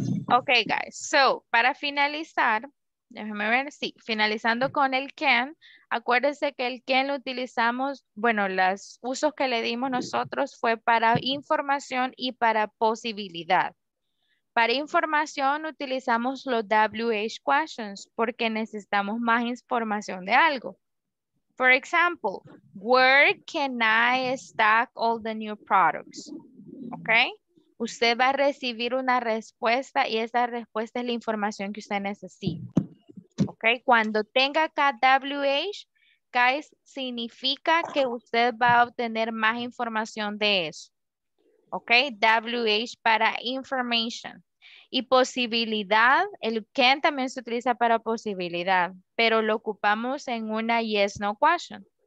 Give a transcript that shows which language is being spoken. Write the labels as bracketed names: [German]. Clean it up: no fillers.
[English] Okay, guys, so [Spanish] para finalizar, déjeme ver, sí, finalizando con el can, acuérdense que el can lo utilizamos, bueno, los usos que le dimos nosotros fue para información y para posibilidad. Para información utilizamos los WH questions porque necesitamos más información de algo. [English] For example, where can I stack all the new products? Okay. [Spanish] Usted va a recibir una respuesta y esa respuesta es la información que usted necesita. ¿Ok? Cuando tenga acá WH, guys, significa que usted va a obtener más información de eso. Ok, WH para information. Y posibilidad, el can también se utiliza para posibilidad, pero lo ocupamos en una [English] yes, no question.